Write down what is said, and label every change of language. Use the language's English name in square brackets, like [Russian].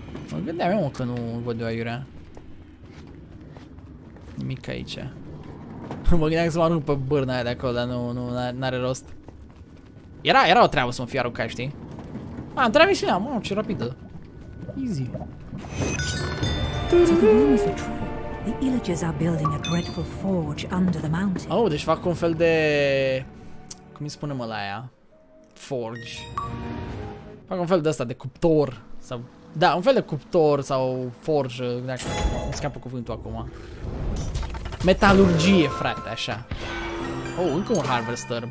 [Romanian] Mă gândeam eu, mă, că nu văd eu aiurea. Nimic aici. Mă gândeam să mă arunc pe bârna aia de acolo, dar nu are rost. Era o treabă să mă fie aruncat, știi? A, întreabă și ea, mă, ce rapidă. [English] Easy. The illagers are building a dreadful forge under the mountain. [Romanian] Oh, deci fac un fel de... Cum îi spune mă la aia? Forge. Fac un fel de asta, de cuptor. Sau Da, un fel de cuptor sau forjă, dacă îmi scapă cuvântul acum. Metalurgie, frate, așa. Oh, încă un harvester.